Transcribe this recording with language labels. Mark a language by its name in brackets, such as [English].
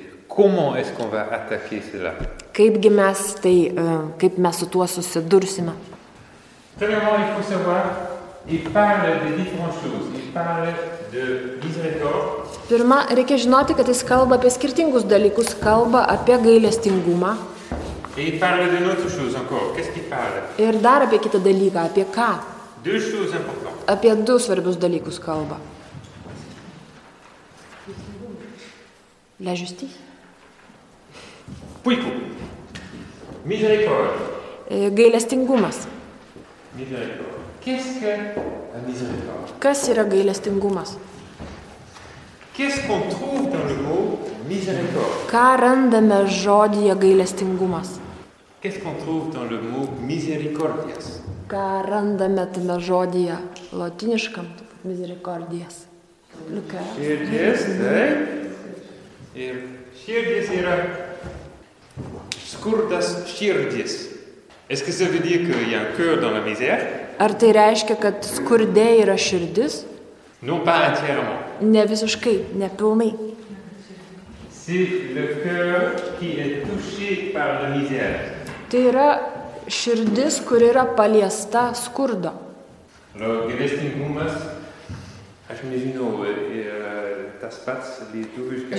[French] Comment est-ce qu'on va attaquer cela? [Lithuanian] Kaipgi mes tai, kaip mes su tuo susidursime? [French] Premièrement, il faut savoir, il parle de différentes choses. Il parle de miséricorde. [Lithuanian] Pirma, reikia žinoti, kad jis kalba apie skirtingus dalykus, kalba apie gailestingumą. [French] Et il parle d'une autre chose encore. Qu'est-ce qu'il parle? [Lithuanian] Ir dar apie kitą dalyką, apie ką? [French] Deux choses importantes. [Lithuanian] Apie du svarbius dalykus kalba. [French] La justice. Puis quoi? Miséricorde. [Lithuanian] Gailestingumas. [French] Qu'est-ce que la miséricorde? [Lithuanian] Kas yra gailestingumas? [French] Qu'est-ce qu'on trouve dans le mot miséricorde? [Lithuanian] Ką randame žodyje gailestingumas? [French] Qu'est-ce qu'on trouve dans le mot misericordias? [Lithuanian] Ką randame tame žodyje lotyniškam misericordias? Širdies, ir širdies yra skurdas širdies. [French] Est-ce que ça veut dire qu'il y a un cœur dans la misère? [Lithuanian] Ar tai reiškia, kad skurdė yra širdis? [French] Non, pas entièrement. [Lithuanian] Ne visiškai, ne pilnai. [French] C'est le cœur qui est touché par la misère. [Lithuanian] Tai yra širdis, kur yra paliesta skurdo. Alors, gailestingumas, aš nežinau, tas pats lietuviškai.